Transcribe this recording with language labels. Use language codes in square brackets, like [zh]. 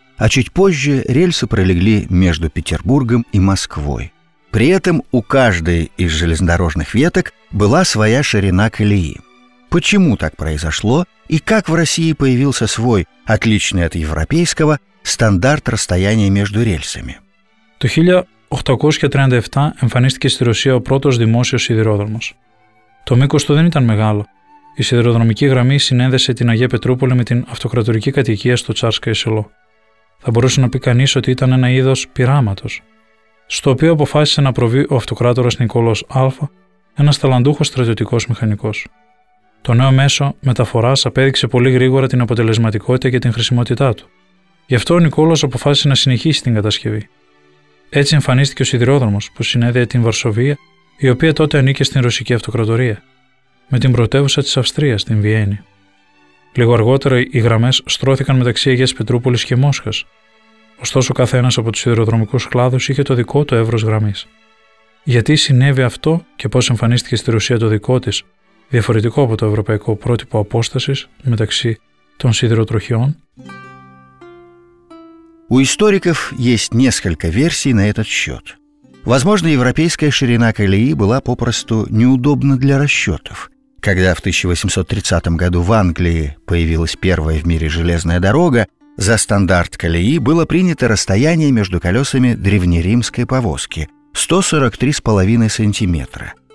[ru] А чуть позже рельсы пролегли между Петербургом и Москвой. При этом у каждой из железнодорожных веток была своя ширина колеи. Почему так произошло и как в России появился свой, отличный от европейского, стандарт расстояния между рельсами? [el] В 1837 εμφανίστηκε στη Ρωσία ο πρώτος δημόσιος σιδηρόδρομος. Το μήκος του δεν ήταν μεγάλο. Η σιδηροδρομική γραμμή συνέδεσε την Αγία Πετρούπολη με την αυτοκρατορική κατοικία στο Τσάρσκαιο Σελό. Θα μπορούσε να πει κανείς ότι ήταν ένα είδος πειράματος, στο οποίο αποφάσισε να προβεί ο αυτοκράτορας Νικόλαος Α, ένας ταλαντούχος στρατιωτικός μηχανικός. Το νέο μέσο μεταφοράς απέδειξε πολύ γρήγορα την αποτελεσματικότητα και την χρησιμότητά του. Γι' αυτό ο Νικόλαος αποφάσισε να συνεχίσει την κατασκευή. Έτσι εμφανίστηκε ο σιδηρόδρομος που συνέδεε την Βαρσοβία, η οποία τότε ανήκε στην Ρωσική Αυτοκρατορία, με την πρωτεύουσα της Αυστρίας, την Βιέννη. Λίγο αργότερα οι γραμμές στρώθηκαν μεταξύ Αγίας Πετρούπολης και Μόσχας. Ωστόσο, κάθε ένας από τους σιδηροδρομικούς κλάδους είχε το δικό του εύρος γραμμής. Γιατί συνέβη αυτό και πώς εμφανίστηκε στη Ρωσία το δικό της, διαφορετικό από το ευρωπαϊκό πρότυπο απόστασης μεταξύ των σιδηροτροχιών? [ru] У историков есть несколько версий на этот счет. Возможно, европейская ширина колеи была попросту неудобна для расчетов. Когда в 1830 году в Англии появилась первая в мире железная дорога, за стандарт колеи было принято расстояние между колесами древнеримской повозки – 143,5 сантиметра.